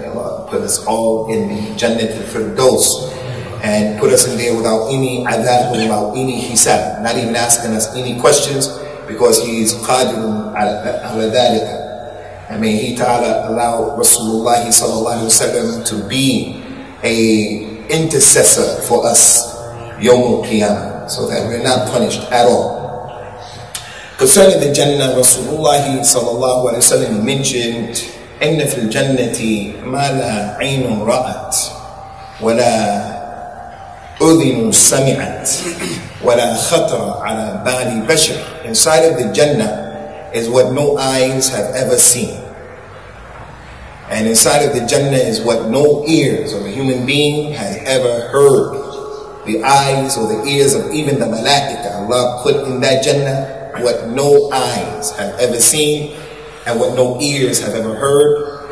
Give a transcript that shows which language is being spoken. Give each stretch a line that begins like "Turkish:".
English: May Allah put us all in the Jannah for the dose and put us in there without any adab, without any hisab, not even asking us any questions, because He is qadirun ala dhalika. And may He Ta'ala allow Rasulullah sallallahu alayhi wa sallam to be a intercessor for us, Yawm al-Qiyamah, so that we're not punished at all. Concerning the Jannah, Rasulullah sallallahu alayhi wa sallam mentioned,
Arabic: إِنَّ فِي الْجَنَّةِ مَا لَا عَيْنٌ رَأَتْ وَلَا أُذِنٌ سَمِعَتْ وَلَا خَطْرَ عَلَى بَالِ بَشَرٍ.
English: Inside of the Jannah is what no eyes have ever seen. And inside of the Jannah is what no ears of a human being has ever heard. The eyes or the ears of even the malaika, Allah put in that Jannah what no eyes have ever seen and what no ears have ever heard.